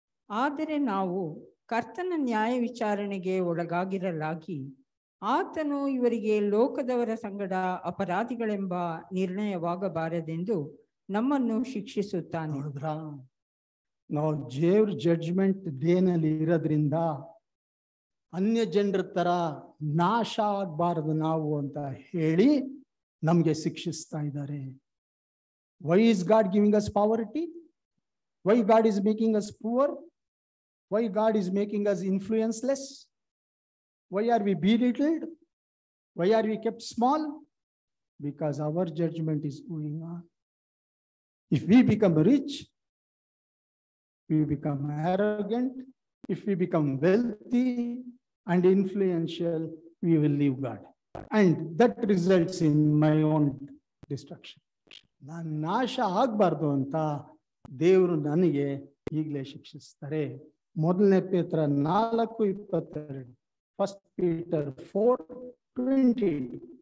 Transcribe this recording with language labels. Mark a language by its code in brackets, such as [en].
[kn] ಆದರೆ ನಾವು ಕರ್ತನ ನ್ಯಾಯ ವಿಚಾರಣೆಗೆ ಒಳಗಾಗಿರಲಾಗಿ ಆತನು ಇವರಿಗೆ ಲೋಕದವರ ಸಂಗಡ ಅಪರಾಧಿಗಳೆಂಬ ನಿರ್ಣಯವಾಗಬಾರದೆಂದು ನಮ್ಮನ್ನು ಶಿಕ್ಷಿಸುತ್ತಾನೆ. ನೋಡಿದ್ರಾ, ನಾವು ದೇವ್ರ ಜಡ್ಜ್ಮೆಂಟ್ ಡೇನಲ್ಲಿ ಇರೋದ್ರಿಂದ ಅನ್ಯ ಜನರ ತರ ನಾಶ ಆಗಬಾರದು ನಾವು ಅಂತ ಹೇಳಿ ನಮ್ಗೆ ಶಿಕ್ಷಿಸ್ತಾ ಇದ್ದಾರೆ. [en] Why is God giving us poverty? Why God is making us poor? Why God is making us influenceless? Why are we belittled? Why are we kept small? Because our judgment is going on. If we become rich, we become arrogant. If we become wealthy and influential, we will leave God. And that results in my own destruction. [kn] ನಾನು ನಾಶ ಆಗಬಾರ್ದು ಅಂತ ದೇವರು ನನಗೆ ಈಗಲೇ ಶಿಕ್ಷಿಸ್ತಾರೆ. ಮೊದಲನೇ ಪೇತ್ರ 4:22, [en] 1 Peter 4:22.